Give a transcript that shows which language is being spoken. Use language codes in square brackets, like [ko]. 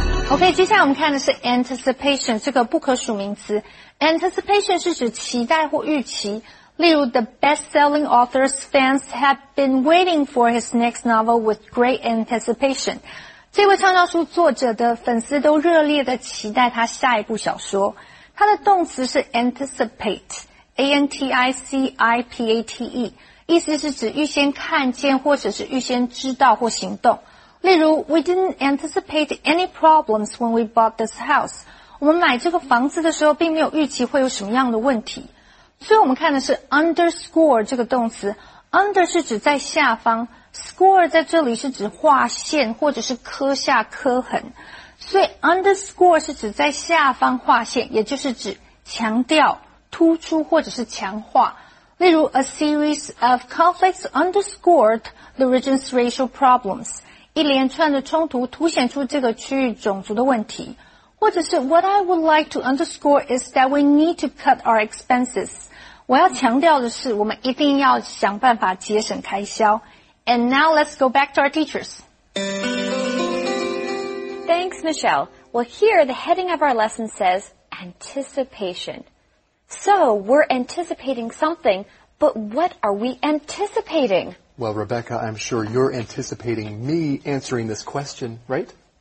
[zh] OK, 接下来我们看的是 anticipation, 这个不可数名词。 Anticipation 是指期待或预期。例如 [en] the best-selling author's fans have been waiting for his next novel with great anticipation. [zh] 这位畅销书作者的粉丝都热烈地期待他下一部小说。他的动词是 anticipate, A-N-T-I-C-I-P-A-T-E, 意思是指预先看见或者是预先知道或行动。例如 [en] ,we didn't anticipate any problems when we bought this house. [zh] 我们买这个房子的时候并没有预期会有什么样的问题。所以我们看的是 underscore 这个动词。under 是指在下方 ,score 在这里是指划线或者是刻下刻痕。所以 underscore 是指在下方划线，也就是指强调、突出或者是强化。例如 [en] ,a series of conflicts underscored the region's racial problems. [zh] 一连串的冲突凸显出这个区域种族的问题。或者是 [en] What I would like to underscore is that we need to cut our expenses. [zh] 我要强调的是我们一定要想办法节省开销。 [en] And now let's go back to our teachers. Thanks, Michelle. Well, here the heading of our lesson says anticipation. So we're anticipating something, but what are we anticipating? Well, Rebecca, I'm sure you're anticipating me answering this question, right?